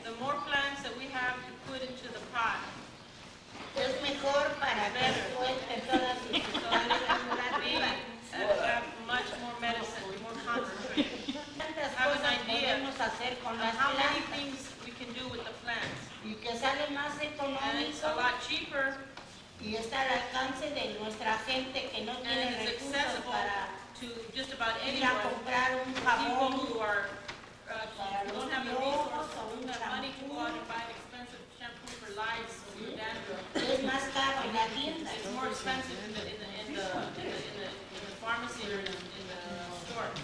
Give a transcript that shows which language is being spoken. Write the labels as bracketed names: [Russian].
[English] The more plants that we have to put into the pot. [Spanish] Es mejor para que suelte todas sus. [English] Much more medicine, more concentrate. Have an idea of how many things we can do with the plants. [Spanish] Y que sale más económico. [English] And it's a lot cheaper. [Spanish] Y está al alcance de nuestra gente que no tiene recursos para [English] to just about anyone. [Spanish] Comprar un jabón. [English] People who are, don't have the resources or don't have money to go out and buy an expensive shampoo for lice or your dandruff. [Spanish] Es más caro en la tienda. [English] It's more expensive in the pharmacy or in the store.